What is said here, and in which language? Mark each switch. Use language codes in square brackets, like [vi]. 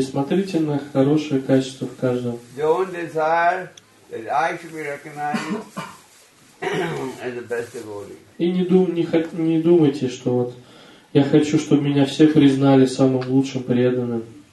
[ru] Смотрите на хорошее качество в каждом. [en] Don't desire that I should be recognized as the best devotee. [ru] И не думайте, что вот я хочу, чтобы меня все признали самым лучшим преданным.